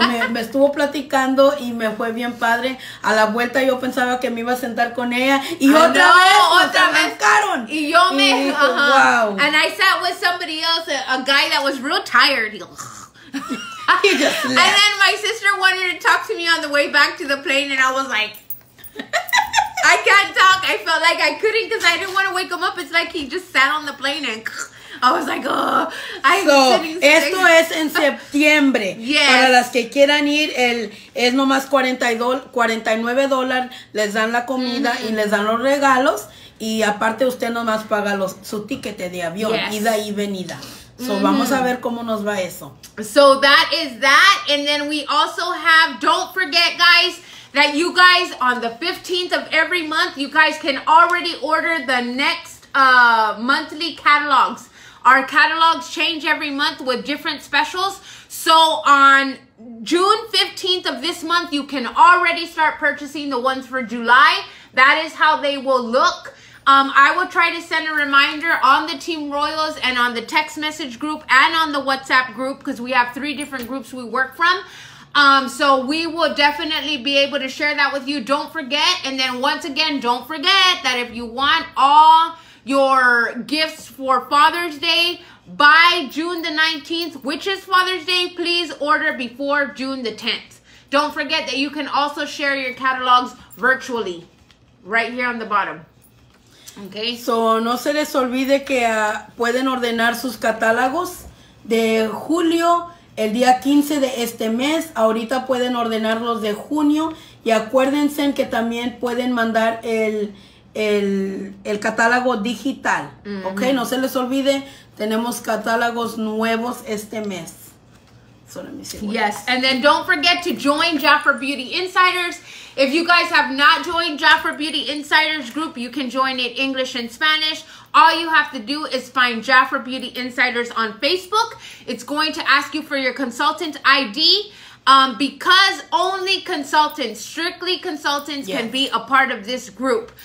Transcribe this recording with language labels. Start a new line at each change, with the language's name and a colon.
Spanish: Me estuvo platicando y me fue bien padre. A la vuelta yo pensaba que me iba a sentar con ella. Y otra vez. Arrancaron. Y yo me... Y dijo, wow.
English: And I sat with somebody else, a guy that was real tired. He just left. And then my sister wanted to talk to me on the way back to the plane, and I was like... I can't talk. I felt like I couldn't because I didn't want to wake him up. It's like he just sat on the plane and I was like, oh, I'm so sitting straight.
Spanish: Esto es en septiembre.
English: Yes.
Spanish: Para las que quieran ir, es nomás $49. Les dan la comida mm-hmm. y les dan los regalos. Y aparte usted nomás paga su ticket de avión, yes. ida y venida. So mm-hmm. vamos a ver cómo nos va eso.
English: So that is that. And then we also have, don't forget, guys, that you guys, on the 15th of every month, you guys can already order the next monthly catalogs. Our catalogs change every month with different specials. So on June 15th of this month, you can already start purchasing the ones for July. That is how they will look. I will try to send a reminder on the Team Royals and on the text message group and on the WhatsApp group because we have three different groups we work from. So we will definitely be able to share that with you. Don't forget. And then once again, don't forget that if you want all your gifts for Father's Day by June the 19th, which is Father's Day, please order before June the 10th. Don't forget that you can also share your catalogs virtually right here on the bottom. Okay.
Spanish: So no se les olvide que pueden ordenar sus catálogos de julio, el día 15 de este mes. Ahorita pueden ordenar los de junio. Y acuérdense que también pueden mandar el catálogo digital. Mm-hmm. Okay, no se les olvide, tenemos catálogos nuevos este mes.
English: So let me see. Yes, and then don't forget to join Jafra Beauty Insiders. If you guys have not joined Jafra Beauty Insiders group, you can join it English and Spanish. All you have to do is find Jafra Beauty Insiders on Facebook. It's going to ask you for your consultant ID. Because only consultants, strictly consultants, yes. can be a part of this group.